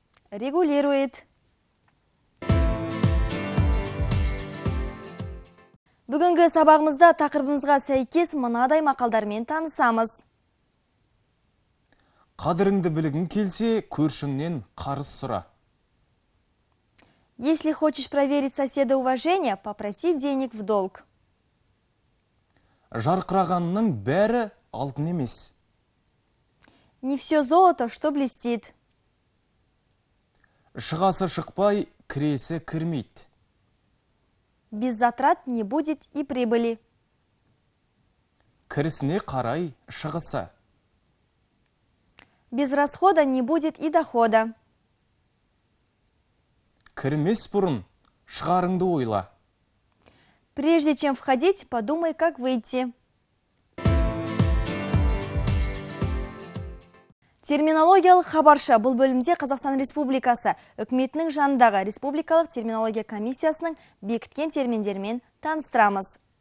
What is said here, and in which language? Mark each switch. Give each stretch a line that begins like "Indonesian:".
Russian: Регулирует.
Kazakh: Бүгінгі сабағымызда тақырыбымызға сәйкес мынадай мақалдармен танысамыз. Қадырыңды білігін келсе, көршіңнен қарыз сұра.
Russian: Если хочешь проверить соседа уважение, попроси денег в долг.
Kazakh: Жарқырағанның бәрі алтын емес.
Russian: Не все золото, что блестит.
Kazakh: Шығасы шықпай, кіресі кірмейді.
Russian: Без затрат не будет и прибыли.
Kazakh: Кірісіне қарай, шығасы.
Russian: Без расхода не будет и дохода.
Kazakh: Кірмес бұрын, шығарыңды ойла.
Russian: Прежде чем входить, подумай, как выйти.
Kazakh: Терминологиялық хабаршы бұл бөлімде Қазақстан Республикасы үкіметінің жанындағы Республикалық терминология комиссиясының бекіткен терминдерімен таныстырамыз.